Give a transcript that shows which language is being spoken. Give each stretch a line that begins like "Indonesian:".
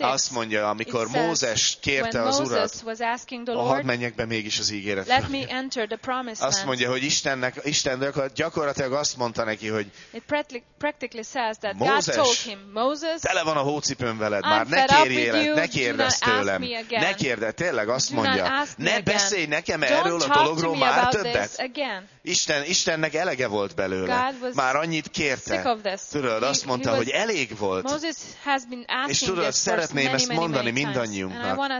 Hungarian: Azt mondja, amikor Mózes kérte az Urat, hadd menjek be mégis az ígéretbe.
English: Let me enter the promised land.
Hungarian: Azt mondja, hogy Isten gyakorlatilag azt mondta neki, hogy
English: it practically says that God told him, Moses,
Hungarian: tele van a hócipőm veled, már ne kérjél, ne kérdezz tőlem. Ne kérdezz, tényleg azt mondja, ne beszélj nekem erről a dologról már.
English: Don't
Hungarian: kértet. Istennek elege volt belőle. Már annyit kérte. Tudod, azt mondta, hogy elég volt. És tudod, szeretném ezt mondani mindannyiunknak.